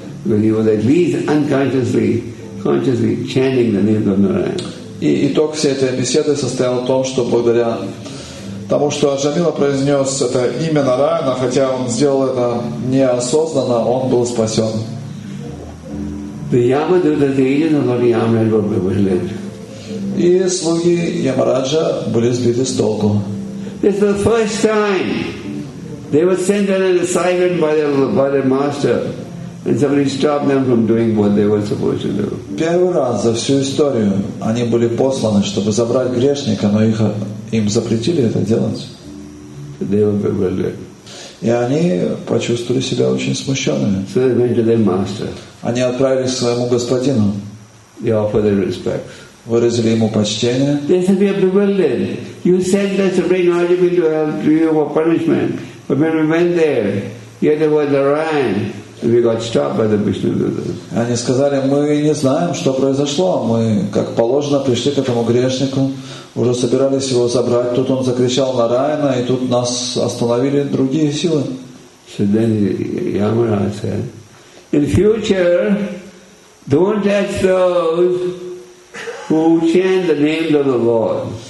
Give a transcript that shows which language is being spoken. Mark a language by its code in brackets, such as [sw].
[en] But he was at least unconsciously, consciously chanting the name of Narayan. [ru] И итог всей этой беседы состоял в том, что благодаря тому, что Аджамила произнес это имя Нараяна, хотя он сделал это неосознанно, он был спасен. [en] The Yamadutas, the agents of Lord Yamaraj, were bewildered. [ru] И слуги Ямараджа были сбиты с толку. [en] This was the first time they were sent on an assignment by their master. And somebody stopped them from doing what they were supposed to do. [ru] Первый раз за всю историю они были посланы, чтобы забрать грешника, но им запретили это делать. [en] They were bewildered. [ru] И они почувствовали себя очень смущенными. [en] So they went to their master. [ru] Они отправились к своему господину. [en] They offered their respects. [ru] Выразили ему почтение. [en] They said, we are bewildered. You sent us to bring Ajimil to hell to you for punishment. But when we went there, here there was Narayan. We got stopped by the Vishnudutas. [ru] Они сказали, мы не знаем, что произошло. Мы, как положено, пришли к этому грешнику. Уже собирались его забрать. Тут он закричал на Раяна, и тут нас остановили другие силы. [en] So then Yamaraj said, in future, don't touch those who chant the name of the Lord.